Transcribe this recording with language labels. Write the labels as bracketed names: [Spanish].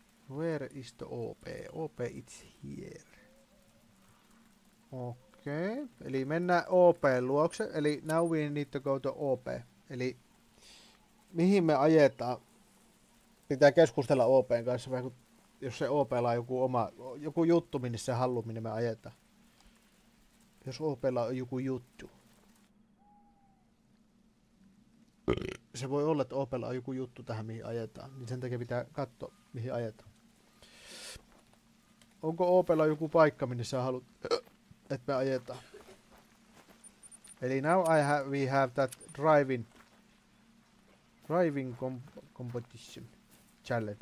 [English] Where is the OP? OP it's here. Okei. Okay. [Finnish] Eli mennään OP luokse. Eli [English] now we need to go to OP. [Finnish] Eli mihin me ajetaan? Pitää keskustella OP:n kanssa vaikka jos se OP:lla on joku oma joku juttu minne se haluaa minne me ajetaan. Jos OP:lla on joku juttu. Se voi olla, että Opel on joku juttu tähän, mihin ajetaan. Niin sen takia pitää katsoa, mihin ajetaan. Onko Opel joku paikka, minne sä haluat, että me ajetaan? Eli [English] now we have that driving competition challenge.